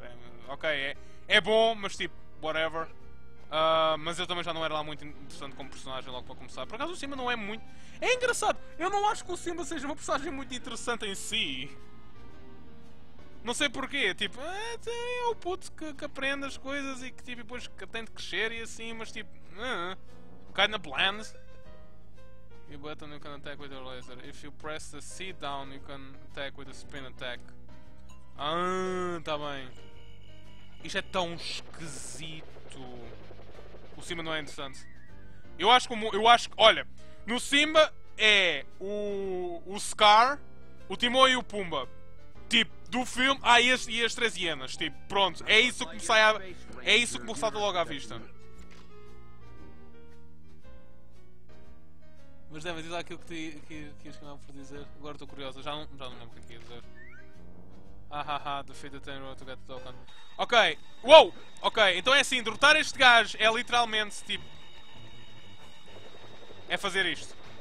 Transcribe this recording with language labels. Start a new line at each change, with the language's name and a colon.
Portuguese: É, ok, é bom, mas tipo, whatever. Mas eu também já não era lá muito interessante como personagem logo para começar. Por acaso o Simba não é muito... É engraçado, eu não acho que o Simba seja uma personagem muito interessante em si. Não sei porquê, tipo... É o puto que aprende as coisas e que tipo, depois que tem de crescer e assim, mas tipo...
English: Kinda bland. You button, you can attack with your laser. If you press the C down, you can attack with a spin attack.
Portuguese: Ah, tá bem. Isto é tão esquisito. O Simba não é interessante. Eu acho que eu acho que, olha, no Simba é o Scar, o Timão e o Pumba. Tipo, do filme, este, e as três hienas. Tipo, pronto, é isso que me sai a, é isso que me salta logo à vista. Mas deve dizer aquilo que ias chamar por dizer. Agora estou curioso, já não lembro o que ia dizer.
English: Ahaha, defeat the Tenro to get the token. Ok, wow!
Portuguese: Ok, então é assim, derrotar este gajo é literalmente tipo. É fazer isto.